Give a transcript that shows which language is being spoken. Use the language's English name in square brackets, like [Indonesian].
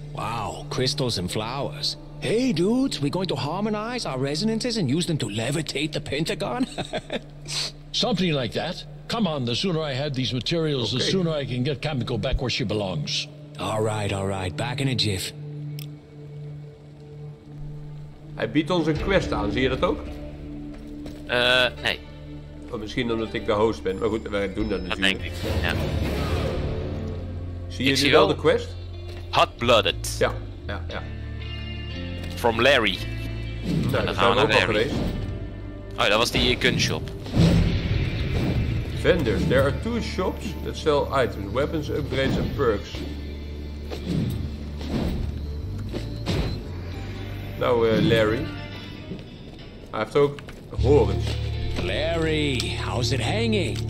[English] Wow, crystals and flowers. Hey dudes, we going to harmonize our resonances and use them to levitate the Pentagon? Something like that. Come on, the sooner I have these materials, the sooner I can get Kamiko back where she belongs. All right, back in a jiff. [Dutch] Hij biedt ons een quest aan, zie je dat ook? Nee. Of misschien omdat ik de host ben, maar goed, wij doen dat natuurlijk. Dat denk ik, ja. Zie je nu wel de quest? [English] Hot-blooded. [Dutch] Ja, ja, ja. [English] From Larry. [Dutch] Nou, daar zijn we ook al geweest. Oh, dat was die gunshop. [English] Vendors, there are two shops that sell items, weapons, upgrades and perks. [Dutch] Nou, Larry. Hij heeft ook horens. [English] Larry, how's it hanging?